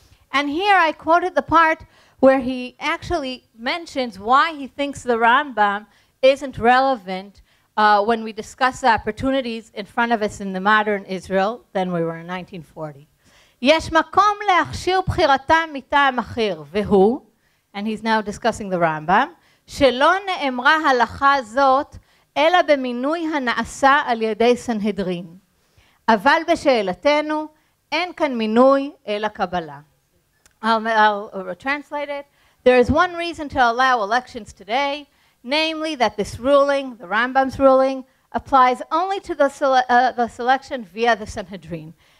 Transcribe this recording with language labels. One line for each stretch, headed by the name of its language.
English: And here I quoted the part where he actually mentions why he thinks the Rambam isn't relevant when we discuss the opportunities in front of us in the modern Israel, then we were in 1940.
Hebrew: Yesh makom leachshir b'chiratam mitam achir, v'hu,
English: and he's now discussing the Rambam,
Hebrew: שלא נאמרה הלכה זאת אלא במינוי הנעשה על ידי סנהדרין. אבל בשאלתנו אין כאן מינוי אלא קבלה.
English: I'll translate it. There is one reason to allow elections today, namely that this ruling, the Rambam's ruling, applies only to the selection via the Sanhedrin.